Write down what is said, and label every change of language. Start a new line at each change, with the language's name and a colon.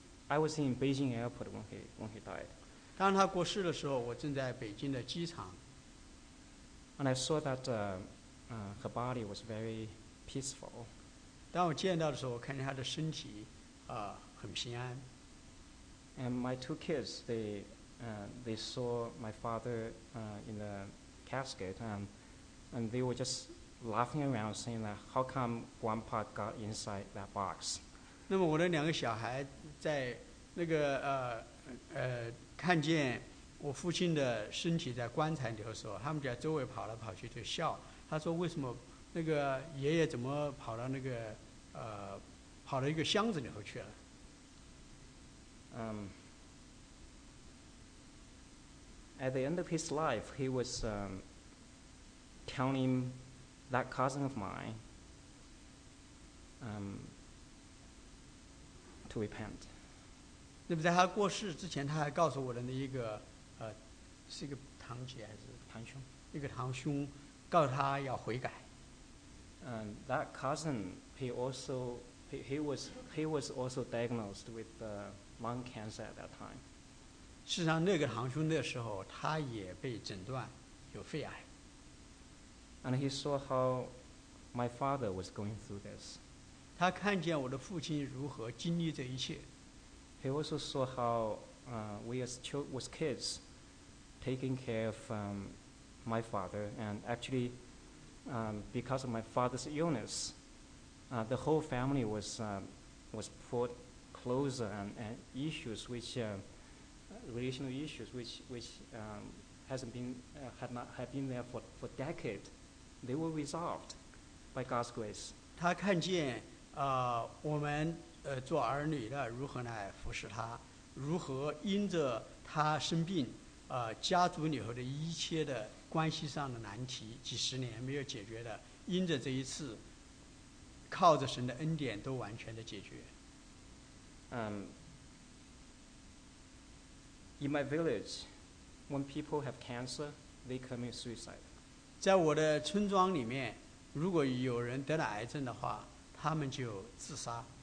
English: I was in Beijing Airport when he died.
Chinese: 当他过世的时候，我正在北京的机场。
English: And I saw that her body was very peaceful.
Chinese: 当我见到的时候，我看见她的身体很平安。
English: And my two kids, they saw my father in the casket, and they were just. Laughing around, saying that how come Grandpa got inside that box?
Chinese: 那么我的两个小孩在那个看见我父亲的身体在棺材里的时候，他们在周围跑来跑去就笑。他说：“为什么那个爷爷怎么跑到那个跑到一个箱子里头去了？”
English: At the end of his life, he was telling. That cousin of mine to repent.
Chinese: 那么在他过世之前，他还告诉我的那一个是一个堂姐还是堂兄？一个堂兄告诉他要悔改。
English: That cousin, he also he was also diagnosed with lung cancer at that time.
Chinese: 事实上，那个堂兄那时候他也被诊断有肺癌。
English: And he saw how my father was going through this.
Chinese: 他看见我的父亲如何经历这一切。
English: He also saw how we as was kids taking care of my father, and actually because of my father's illness, the whole family was put closer, and issues which relational issues which hasn't been had not had been there for decades, they were resolved by God's grace.
Chinese: 他看见我们 做儿女的如何来服侍他，如何因着他生病，家族里头的一切的关系上的难题，几十年没有解决的，因着这一次，靠着神的恩典都完全的解决。
English: In my village, when people have cancer, they commit suicide.
Chinese: 在我的村庄里面，如果有人得了癌症的话，他们就自杀。